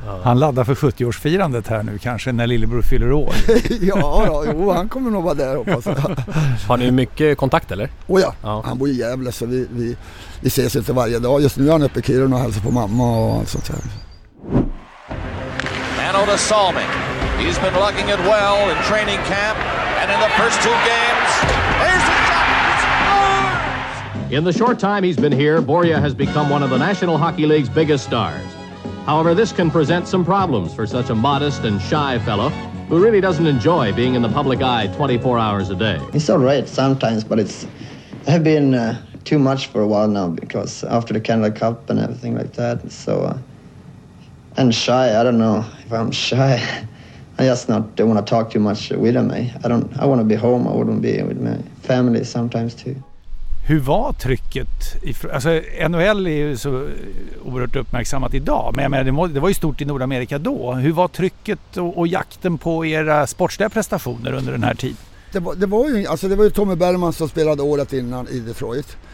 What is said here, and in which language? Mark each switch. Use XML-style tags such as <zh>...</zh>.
<sv>Han laddar för 70-årsfirandet här nu kanske, när lillebror fyller år. ja, han kommer nog vara där, hoppas jag. Har ni mycket kontakt eller? Oh, ja, han bor i Gävle, så vi ses inte varje dag. Just nu är han uppe i Kiruna och hälsar på mamma och sånt där. Manota Salming.</sv> <en>He's been lugging it well in training camp and in the first two games. There's the shot! It's in the short time he's been here, Börje has become one of the National Hockey League's biggest stars. However, this can present some problems for such a modest and shy fellow who really doesn't enjoy being in the public eye 24 hours a day. It's all right sometimes, but it's have been too much for a while now, because after the Canada Cup and everything like that, so... And shy, I don't know if I'm shy. I just don't want to talk too much with them. I want to be home, I wouldn't be with my family sometimes too.</en> <sv>Hur var trycket? Alltså, NHL är ju så oerhört uppmärksammat idag, men jag menar, det var ju stort i Nordamerika då. Hur var trycket och jakten på era sportsliga prestationer under den här tiden? Det var ju Tommy Bergman som spelade året innan i Detroit.</sv>